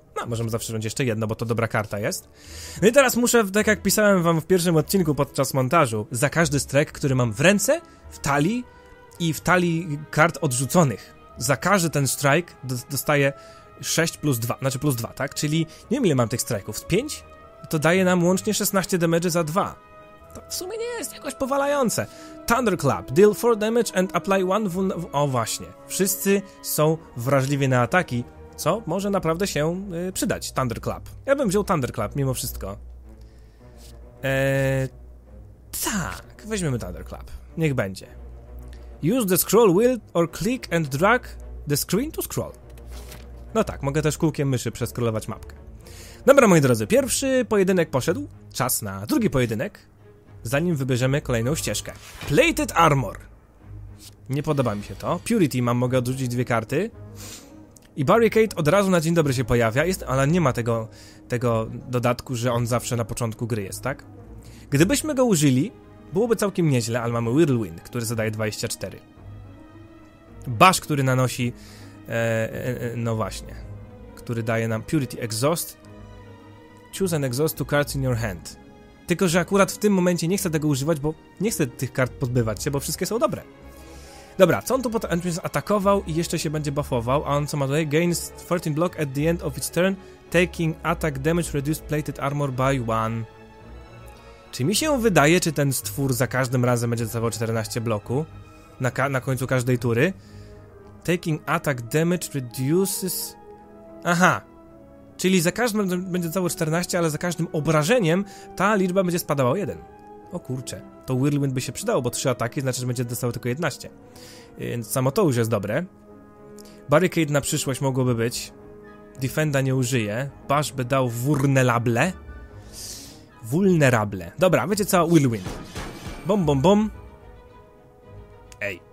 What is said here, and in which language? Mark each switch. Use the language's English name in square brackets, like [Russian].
[Polish] No, możemy zawsze wziąć jeszcze jedno, bo to dobra karta jest. No i teraz muszę, tak jak pisałem wam w pierwszym odcinku podczas montażu, za każdy strek, który mam w ręce, w talii i w talii kart odrzuconych. Za każdy ten strajk dostaję 6 plus 2, znaczy plus 2, tak? Czyli nie wiem, ile mam tych strajków, 5? To daje nam łącznie 16 damage za 2. To w sumie nie jest jakoś powalające. [English] Thunderclap, deal 4 damage and apply 1 wound. [Polish] O właśnie, wszyscy są wrażliwi na ataki, co może naprawdę się przydać. Thunderclap. Ja bym wziął Thunderclap mimo wszystko. Tak, weźmiemy Thunderclap. Niech będzie. [English] Use the scroll wheel or click and drag the screen to scroll. [Polish] No tak, mogę też kółkiem myszy przeskrolować mapkę. Dobra, moi drodzy, pierwszy pojedynek poszedł. Czas na drugi pojedynek, zanim wybierzemy kolejną ścieżkę. Plated armor. Nie podoba mi się to. Purity mam, mogę odrzucić dwie karty. I barricade od razu na dzień dobry się pojawia. Jest, ale nie ma tego dodatku, że on zawsze na początku gry jest, tak? Gdybyśmy go użyli, byłoby całkiem nieźle, ale mamy Whirlwind, który zadaje 24. Bash, który nanosi... no właśnie. Który daje nam Purity Exhaust. [English] Choose an exhaust to cards in your hand. [Polish] Tylko że akurat w tym momencie nie chcę tego używać, bo nie chcę tych kart pozbywać się, bo wszystkie są dobre. Dobra, co on tu potem atakował i jeszcze się będzie buffował, a on co ma tutaj? [English] Gains 14 block at the end of its turn, taking attack damage reduced plated armor by 1. [Polish] Czy mi się wydaje, czy ten stwór za każdym razem będzie dostawał 14 bloku na końcu każdej tury? [English] Taking attack damage reduces... Aha! [Polish] Czyli za każdym będzie dostawał 14, ale za każdym obrażeniem ta liczba będzie spadała o 1. O kurcze, to Whirlwind by się przydało, bo 3 ataki znaczy, że będzie dostawał tylko 11. Więc samo to już jest dobre. Barricade na przyszłość mogłoby być. Defenda nie użyje. Bash by dał vulnerable. Vulnerable. Dobra, wiecie co? Whirlwind. Bom, bom, bom. Ej.